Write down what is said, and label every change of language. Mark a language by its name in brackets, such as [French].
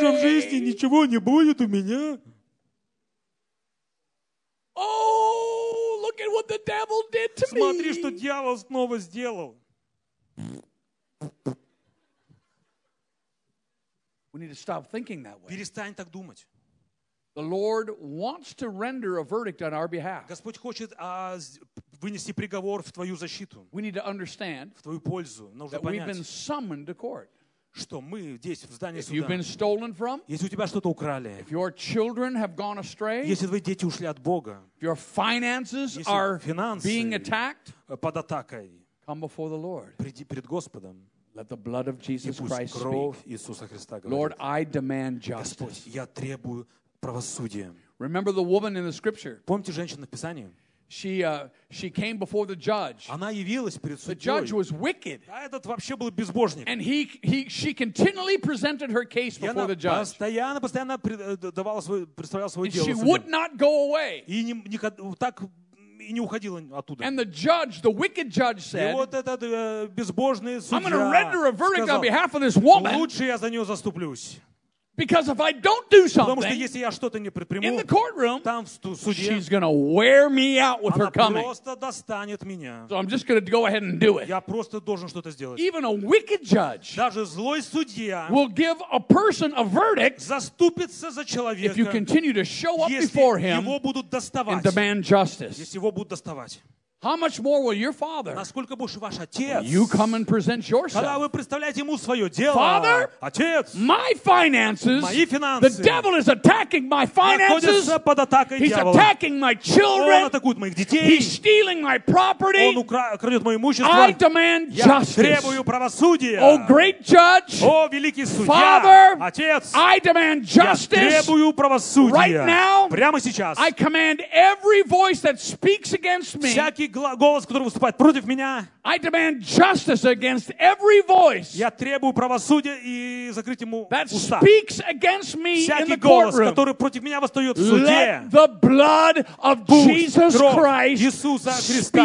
[Russian] Все, уже в жизни ничего не будет у меня. [English] Oh, look at what the devil did to me. [Russian] Смотри, что дьявол снова сделал. [English] We need to stop thinking that way. [Russian] Перестань так думать. [English] The Lord wants to render a verdict on our behalf. [Russian] Господь хочет вынести приговор в твою защиту. [English] We need to understand [Russian] в твою пользу. Нужно [English] that [Russian] понять, [English] we've been summoned to court. [Russian] Что мы здесь, в здании [English] if [Russian] суда. [English] You've been stolen from, [Russian] если у тебя что-то украли, [English] if your children have gone astray, [Russian] если твои дети ушли от Бога, [English] if your finances are [Russian] финансы [English] being attacked, [Russian] под атакой, [English] come before the Lord. [Russian] Приди перед Господом. [English] Let the blood of Jesus [Russian] и пусть [English] Christ [Russian] кровь [English] speak. [Russian] Иисуса Христа говорит. [English] Lord, I demand justice. [Russian] Господь, я требую правосудие. [English] Remember the woman in the scripture? [Russian] Помните женщину в Писании? [English] She came before the judge. [Russian] Она явилась перед судьей. [English] The judge was wicked. [Russian] А этот вообще был безбожник. [English] And she continually presented her case before the judge. [Russian] И она постоянно давала свой представляла свое дело. [English] And she would not go away. [Russian] И не так и не уходила оттуда. [English] And the judge, the wicked judge said, [Russian] и вот этот безбожный судья сказал, [English] I'm going to render a verdict on behalf of this woman. [Russian] Лучше я за нее заступлюсь. [English] Because if I don't do something, [Russian] потому что если я что-то не предприму, [English] in the courtroom, [Russian] там в суде, [English] she's going to wear me out with her coming. [Russian] Она просто достанет меня. [English] So I'm just going to go ahead and do it. [Russian] Я просто должен что-то сделать. [English] Even a wicked judge, [Russian] даже злой судья, [English] will give a person a verdict, [Russian] заступится за человека, [English] if you continue to show up before him, [Russian] если его будут доставать, [English] and demand justice. [Russian] Если его будут доставать. [English] How much more will your father? [Russian] Насколько больше ваш отец? [English] You come and present yourself. [Russian] Когда вы представляете ему свое дело? [English] Father, [Russian] отец. [English] My finances. [Russian] Мои финансы. [English] The devil is attacking my finances. [Russian] Находится под атакой дьявола. [English] He's attacking my children. [Russian] Он атакует моих детей. [English] He's stealing my property. [Russian] Он крадет мое имущество. [English] I demand justice. [Russian] Я требую правосудия. [English] Oh, great judge. [Russian] О, великий судья. [English] Father, [Russian] отец. [English] I demand justice. [Russian] Я требую правосудия. [English] Right now. [Russian] Прямо сейчас. [English] I command every voice that speaks against me. [Russian] Голос, который выступает против меня. [English] I demand justice against every voice. [Russian] Я требую правосудия и закрыть ему уста. [English] That speaks against me in the courtroom. [Russian] Всякий голос, который против меня восстает в суде. [English] Let the blood of Jesus Christ [Russian] Иисуса Христа